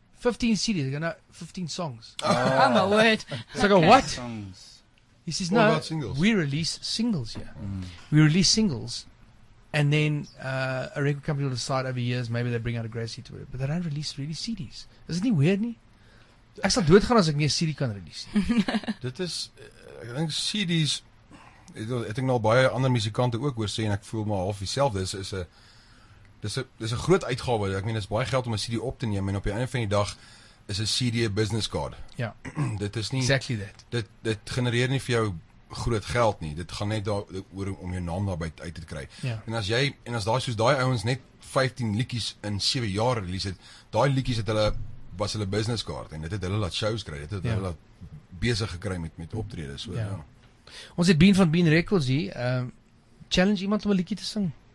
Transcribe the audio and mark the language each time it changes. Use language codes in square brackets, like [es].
[en] 15 CDs, I go, no, 15 songs. Oh, oh my word. So I go, what? Songs. He says, no, we release singles, yeah. Mm. We release singles, and then a record company will decide over years, maybe they bring out a grassy to it, but they don't release really CDs. Isn't it weird, [af] nie? Ek sal doodgaan as ek nie 'n CD kan release. Dit is, ek dink CDs, ek dink nou baie ander muzikante ook oor sê, en ek voel my half dieselfde, is 'n dis 'n groot uitgawe. Ek meen dis baie geld om 'n CD op te neem en op die einde van die dag is 'n CD 'n business card. Ja. Dit is nie [en] exactly that. [af] Dit genereer nie vir jou groot geld nie. Dit gaan net daaroor om jou naam daarby uit te kry. [en] Yeah. [af] En as jy en as daai soos daai ouens net 15 liedjies in 7 jaar release het, daai liedjies het hulle was hulle business card en dit het hulle laat shows kry. Dit het hulle laat besig gekry met optredes so. [en] Yeah. Ja. [af] Ons het Bean van Bean Records hier, challenge iemand om 'n liedjie te sing.